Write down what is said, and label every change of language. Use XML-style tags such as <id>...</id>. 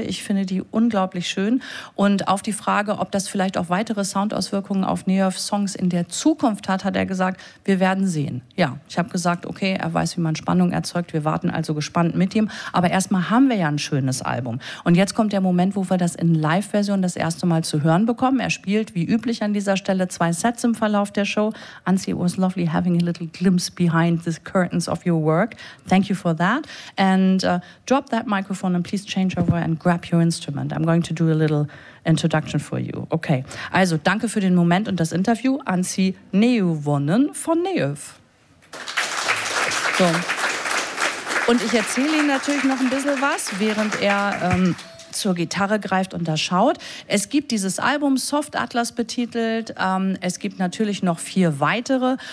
<de>Ich finde die unglaublich schön. Und auf die Frage, ob das vielleicht auch weitere Soundauswirkungen auf Neöv-Songs in der Zukunft hat, hat er gesagt, wir werden sehen. Ja, ich habe gesagt, okay, er weiß, wie man Spannung erzeugt. Wir warten also gespannt mit ihm, aber erstmal haben wir ja ein schönes Album. Und jetzt kommt der Moment, wo wir das in Live-Version das erste Mal zu hören bekommen. Er spielt, wie üblich an dieser Stelle, zwei Sets im Verlauf der Show.</de> <en>Anzi, it was lovely having a little glimpse behind the curtains of your work. Thank you for that. And drop that microphone and please change over and grab your instrument. I'm going to do a little introduction for you.</en> <de>Okay, also danke für den Moment und das Interview. Anzi Neuvonen von Neöv. So. Und ich erzähle Ihnen natürlich noch ein bisschen was, während er zur Gitarre greift und da schaut. Es gibt dieses Album, Soft Atlas betitelt. Es gibt natürlich noch vier weitere.</de>